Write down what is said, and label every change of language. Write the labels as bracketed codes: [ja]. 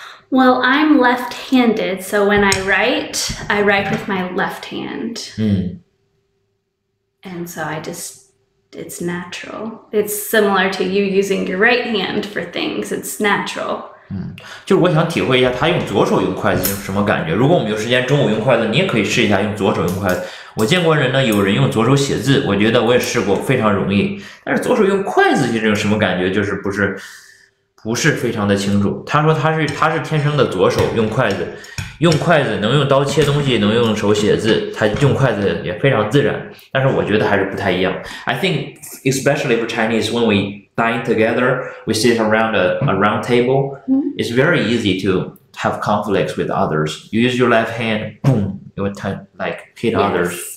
[en] Well, I'm left-handed, so when I write with my left hand. And so it's natural. It's similar to you using your right hand for things. It's natural. [zh] 就是我想体会一下他用左手用筷子什么感觉。如果我们有时间中午用筷子，你也可以试一下用左手用筷子。我见过人呢，有人用左手写字，我觉得我也试过，非常容易。但是左手用筷子这种什么感觉，就是不是非常的清楚。他说他是天生的左手，用筷子能用刀切东西，能用手写字，他用筷子也非常自然。但是我觉得还是不太一样。 [en] I think especially for Chinese, when we dine together, we sit around a round table, it's very easy to have conflicts with others. You use your left hand, boom, you would like hit others.